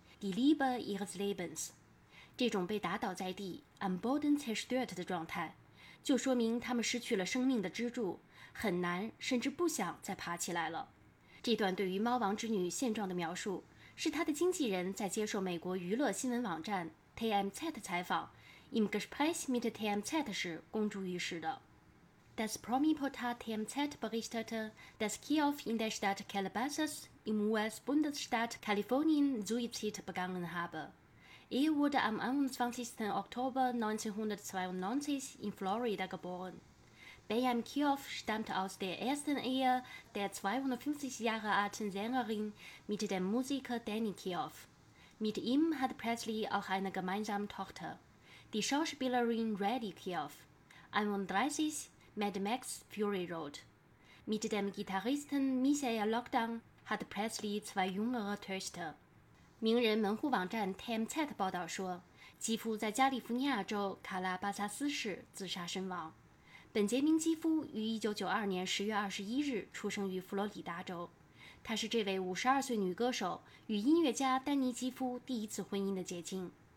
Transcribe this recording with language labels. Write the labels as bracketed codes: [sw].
[de] Die Liebe ihres Lebens， [zh] 这种被打倒在地 [de] am Boden zerstört [zh] 的状态，就说明他们失去了生命的支柱，很难甚至不想再爬起来了。这段对于猫王之女现状的描述，是他的经纪人在接受美国娱乐新闻网站 TMZ 的采访 [de] im Gespräch mit TMZ [zh] 时公诸于世的。 [de] Das Promi-Portal TMZ berichtete, dass Kiew in der Stadt Calabasas im US-Bundesstaat Kalifornien Suizid begangen habe. Er wurde am 21. Oktober 1992 in Florida geboren. Bayam Kiew stammt aus der ersten Ehe der 52 Jahre alten Sängerin mit dem Musiker Danny Kiew. Mit ihm hat Presley auch eine gemeinsame Tochter, die Schauspielerin Reddy Kiew, 31. Mad Max Fury Road. Mit dem Gitarristen Michael Lockdown hat Presley zwei jüngere Töchter. [zh] 名人门户网站 TMZ 报道说，基夫在加利福尼亚州卡拉巴萨斯市自杀身亡。本杰明·基夫于1992年10月21日出生于佛罗里达州，他是这位52岁女歌手与音乐家丹尼·基夫第一次婚姻的结晶。